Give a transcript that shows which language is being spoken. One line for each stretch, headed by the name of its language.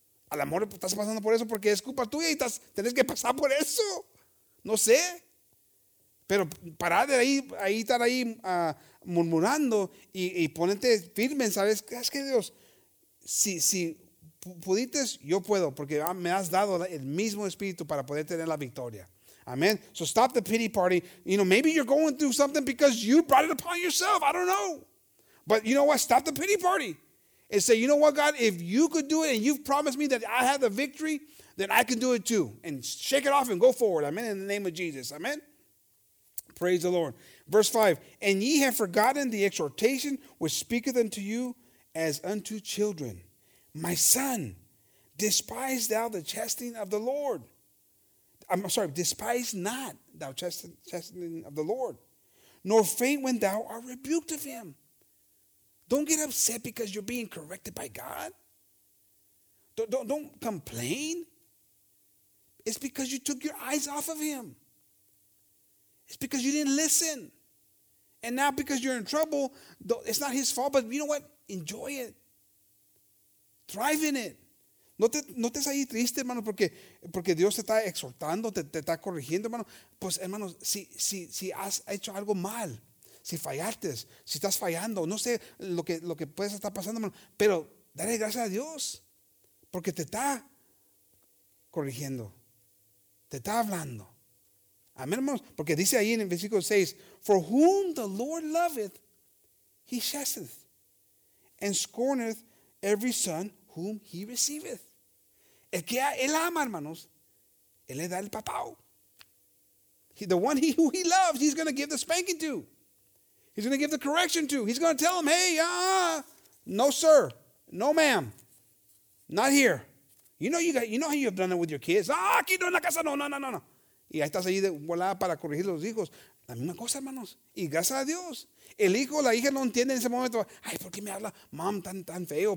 Spanish: Al amor estás pasando por eso porque es culpa tuya y tenés que pasar por eso. No sé. Pero pará de ahí estar ahí murmurando y ponerte firme, ¿sabes? Es que Dios, si pudiste, yo puedo, porque me has dado el mismo espíritu para poder tener la victoria.
English: Amén. So stop the pity party. You know, maybe you're going through something because you brought it upon yourself. I don't know. But you know what? Stop the pity party. And say, you know what, God? If you could do it and you've promised me that I have the victory, then I can do it too. And shake it off and go forward. Amen. In the name of Jesus. Amen. Praise the Lord. Verse 5, and ye have forgotten the exhortation which speaketh unto you as unto children. My son, despise thou the chastening of the Lord. Despise not thou chastening of the Lord, nor faint when thou art rebuked of him. Don't get upset because you're being corrected by God. Don't complain. It's because you took your eyes off of him. It's because you didn't listen. And now because you're in trouble, it's not his fault, but you know what? Enjoy it. Thrive in it.
Spanish: No te estés ahí triste, hermano, porque Dios te está exhortando, te está corrigiendo, hermano. Pues, hermano, si has hecho algo mal, si fallaste, si estás fallando, no sé lo que puedes estar pasando, hermano, pero dale gracias a Dios porque te está corrigiendo, te está hablando. Amén, hermanos, porque dice ahí en el versículo 6,
English: for whom the Lord loveth, he chasteneth, and scorneth every son whom he receiveth.
Spanish: El que él ama, hermanos, él le da el papao.
English: The one who he loves, he's going to give the spanking to. He's going to give the correction to. He's going to tell him, hey, no, sir, no, ma'am, not here. You know how you've done it with your kids.
Spanish: Aquí no en la casa, no. Y ahí estás ahí de volada para corregir los hijos. La misma cosa, hermanos. Y gracias a Dios. El hijo, la hija no entiende en ese momento. Ay, ¿por qué me habla mom tan feo?